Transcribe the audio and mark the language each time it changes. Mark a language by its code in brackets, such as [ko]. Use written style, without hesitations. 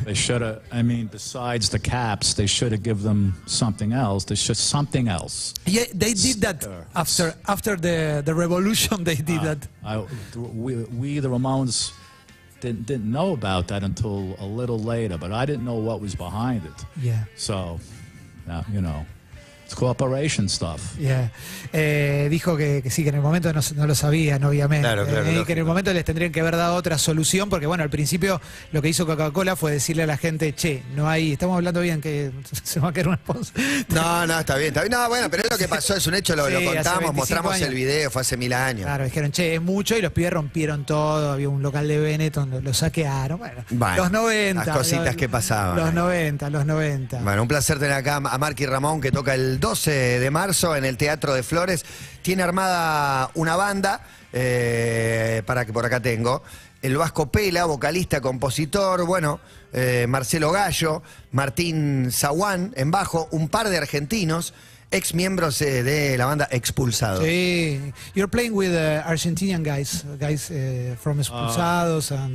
[en] They should have, I mean, besides the caps, they should have given them something else. There's just something else. Yeah, they did that after the revolution, they did that. We the Ramones didn't know about that until a little later, but I didn't know what was behind it. Yeah. So, you know, cooperation stuff. Yeah. [es] Dijo que sí, que en el momento no lo sabían, obviamente. Claro, claro. Y que en el momento les tendrían que haber dado otra solución, porque bueno, al principio lo que hizo Coca-Cola fue decirle a la gente, che, no hay, estamos hablando bien, que se va a quedar una esposa. No, está bien, está bien. No, bueno, pero es lo que pasó, es un hecho, lo contamos, mostramos años. El video, fue hace mil años. Claro, dijeron, che, es mucho, y los pibes rompieron todo, había un local de Benetton, lo saquearon. Bueno, los 90. Las cositas que pasaban. Los 90. Bueno, un placer tener acá a Marky Ramón, que toca el 12 de marzo en el Teatro de Flores. Tiene armada una banda, para que por acá tengo, el Vasco Pela, vocalista, compositor, bueno, Marcelo Gallo, Martín Zaguán en bajo, un par de argentinos, ex miembros de la banda Expulsados. [en] Sí, you're playing with Argentinian guys from Expulsados.